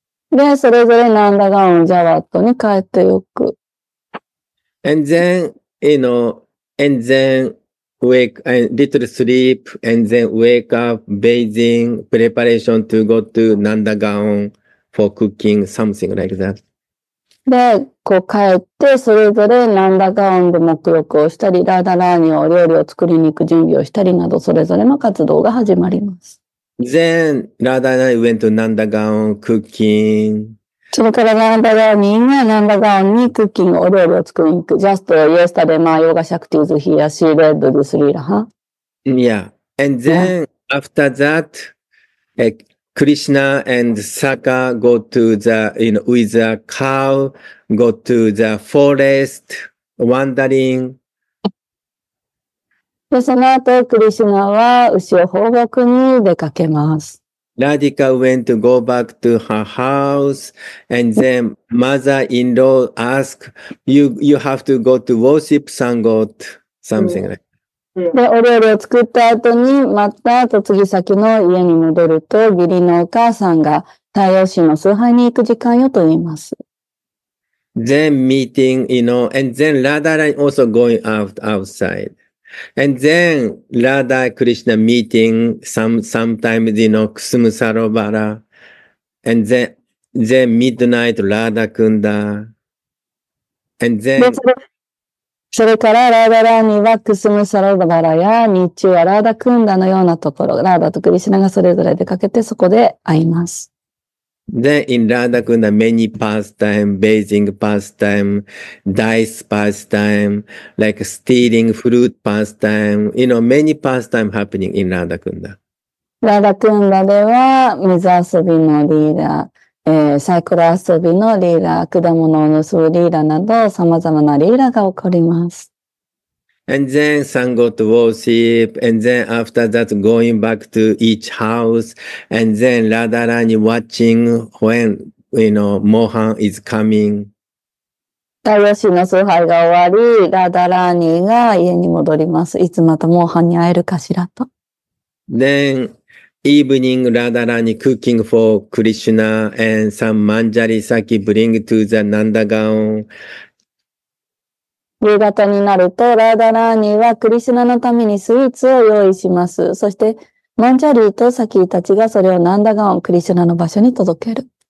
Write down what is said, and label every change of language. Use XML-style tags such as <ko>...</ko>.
<ja>で、それぞれ Nandagaon、Jawat に帰ってよく。</ja> <en>And then, you know, and then wake, little sleep, and then wake up, bathing, preparation to go to Nandagaon for cooking, something like that.</en> <ja>で、こう帰って、それぞれ、ナンダガオンで沐浴をしたり、ラダラーニを料理を作りに行く準備をしたりなど、それぞれの活動が始まります。</ja> <en>Then, ラダラーニ went to ナンダガオン cooking.</en> <ja>そこからラダラーニがナンダガオンにクッキング、お料理を作りに行く。</ja> <en>Just yesterday, my yoga shakti's here, she read the three raha. Yeah. And then, after that, Krishna and Saka go to the, you know, with a cow, go to the forest, wandering.</en> <ja>で、その後、クリシナは牛を放牧に出かけます。</ja> <en>Radhika went to go back to her house, and then mother-in-law asked, you have to go to worship sun god, something like that.</en> <ja>で、お料理を作った後に、また、嫁ぎ先の家に戻ると、義理のお母さんが、太陽神の崇拝に行く時間よと言います。</ja> <en>Then meeting, you know, and then Radha also going out, outside. And then Radha Krishna meeting sometimes, you know, Kusumu Sarovara. And then midnight Radha Kunda. And then,</en> <ja>それから、ラーダラーニはクスムサラダバラや、日中はラーダクンダのようなところ、ラーダとクリシナがそれぞれ出かけてそこで会います。</ja> <en>Then, in ラーダクンダ many pastime, bathing pastime, dice pastime, like stealing fruit pastime, you know, many pastime happening in ラーダクンダ。</en> <ja>ラーダクンダでは、水遊びのリーダー、サイコロ遊びのリーラー、果物を盗むリーラーなど、様々なリーラーが起こります。</ja> <en>And then, sun go to worship, and then after that, going back to each house, and then, Radharani watching when, you know, Mohan is coming.</en> <ja>太陽神の崇拝が終わり、ラダラーニが家に戻ります。いつまたモーハンに会えるかしらと。</ja> <en>Then,Evening, Radharani cooking for Krishna and some manjari sake bring to the Nandagaon.</en> <ja>夕方になると、ラーダラーニーはクリシナのためにスイーツを用意します。そして、マンジャリーとサキーたちがそれをナンダガンをクリシナの場所に届ける。</ja>